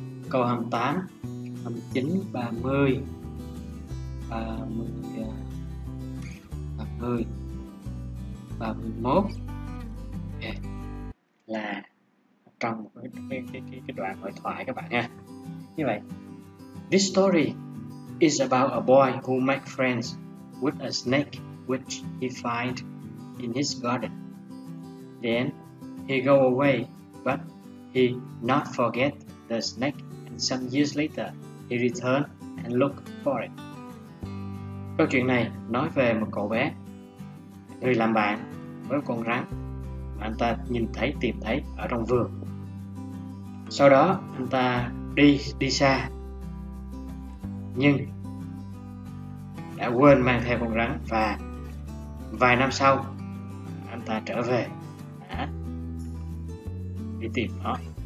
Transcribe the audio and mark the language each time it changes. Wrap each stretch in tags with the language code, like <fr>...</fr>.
<vi>Câu 28, 29, 30. 30. 30. 31. Là trong cái đoạn hội thoại các bạn nha. Như vậy,</vi> <en>this story is about a boy who makes friends with a snake which he finds in his garden. Then he go away, but he not forget the snake, and some years later he return and look for it.</en> <vi>Câu chuyện này nói về một cậu bé người làm bạn với con rắn mà anh ta nhìn thấy, tìm thấy ở trong vườn. Sau đó anh ta đi xa, nhưng đã quên mang theo con rắn, và vài năm sau anh ta trở về đi tìm nó.</vi>